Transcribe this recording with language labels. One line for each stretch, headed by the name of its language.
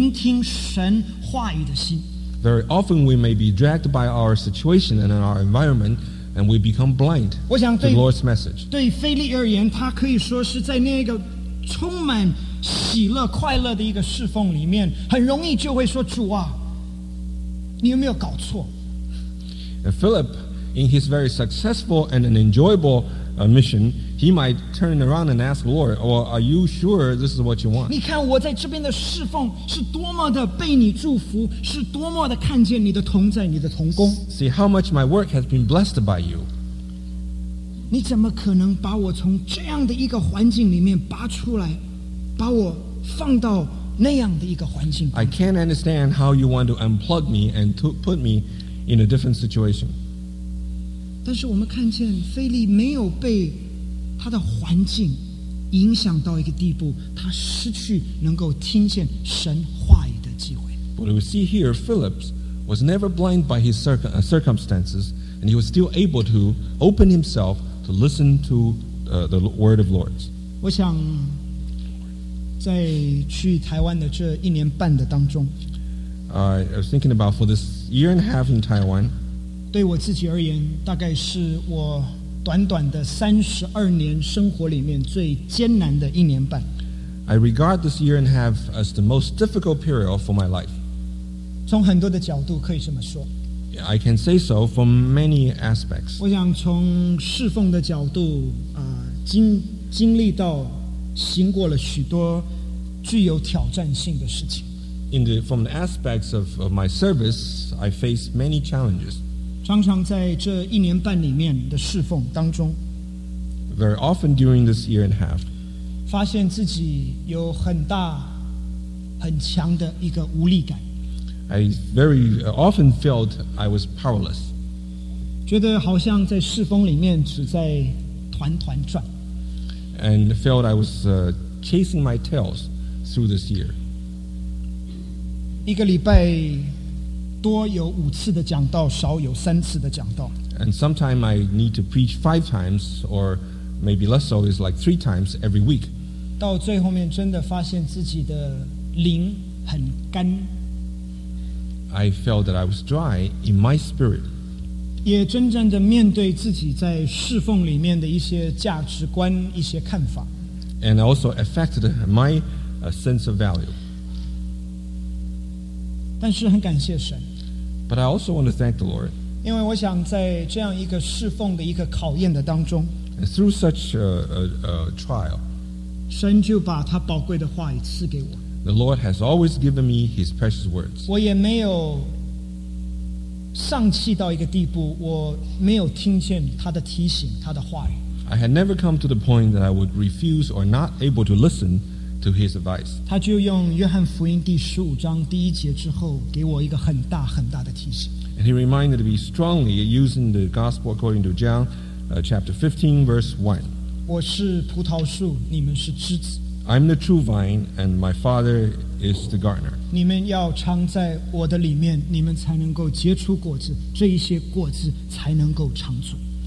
Chinese: 因为我们常常很容易就被我们的环境所影响，使得我们失去那一个聆听神话语的心。
English: Very often we may be dragged by our situation and our environment, and we become blind to the Lord's message.
Chinese: 对腓力而言，他可以说是在那个充满喜乐快乐的一个侍奉里面，很容易就会说，主啊，你有没有搞错？
English: Philip, in his very successful and an enjoyable mission, he might turn around and ask the Lord, well, are you sure this is what you want?
Chinese: 你看我在这边的侍奉是多么的被你祝福，是多么的看见你的同在，你的同工。
English: See how much my work has been blessed by you.
Chinese: 你怎么可能把我从这样的一个环境里面拔出来，把我放到那样的一个环境？
English: I can't understand how you want to unplug me and to put me in a different situation.
Chinese: 但是我们看见腓力没有被他的环境影响到一个地步，他失去能够听见神话语的机会。
English: But we see here, Philip was never blind by his circumstances, and he was still able to open himself to listen to the word of the Lord.
Chinese: 我想在去台湾的这一年半的当中，
English: I was thinking about for this year and a half in Taiwan.
Chinese: 对我自己而言，大概是我短短的32年生活里面最艰难的一年半。
English: I regard this year and a half as the most difficult period for my life.
Chinese: 从很多的角度可以这么说。
English: I can say so from many aspects.
Chinese: 我想从侍奉的角度啊，经历到行过了许多具有挑战性的事情。
English: From the aspects of my service, I face many challenges.
Chinese: 常常在这一年半里面的侍奉当中，
English: Very often during this year and a half,
Chinese: 发现自己有很大很强的一个无力感。
English: I very often felt I was powerless.
Chinese: 觉得好像在侍奉里面只在团团转。
English: And felt I was chasing my tails through this year.
Chinese: 一个礼拜多有五次的讲道，少有三次的讲道。
English: And sometimes I need to preach 5 times, or maybe less so, is like 3 times every week.
Chinese: 到最后面真的发现自己的灵很干。
English: I felt that I was dry in my spirit.
Chinese: 也真正的面对自己在侍奉里面的一些价值观，一些看法。
English: And also affected my sense of value.
Chinese: 但是很感谢神。
English: But I also want to thank the Lord.
Chinese: 因为我想在这样一个侍奉的一个考验的当中，
English: And through such a trial,
Chinese: 神就把他宝贵的话语赐给我。
English: The Lord has always given me his precious words.
Chinese: 我也没有丧气到一个地步，我没有听见他的提醒，他的话语。
English: I had never come to the point that I would refuse or not able to listen to his advice.
Chinese: 他就用约翰福音第十五章第一节之后给我一个很大很大的提醒。
English: And he reminded me strongly using the gospel according to John, chapter 15, verse 1.
Chinese: 我是葡萄树，你们是枝子。
English: I'm the true vine, and my Father is the gardener.
Chinese: 你们要常在我的里面，你们才能够结出果子，这一些果子才能够长存。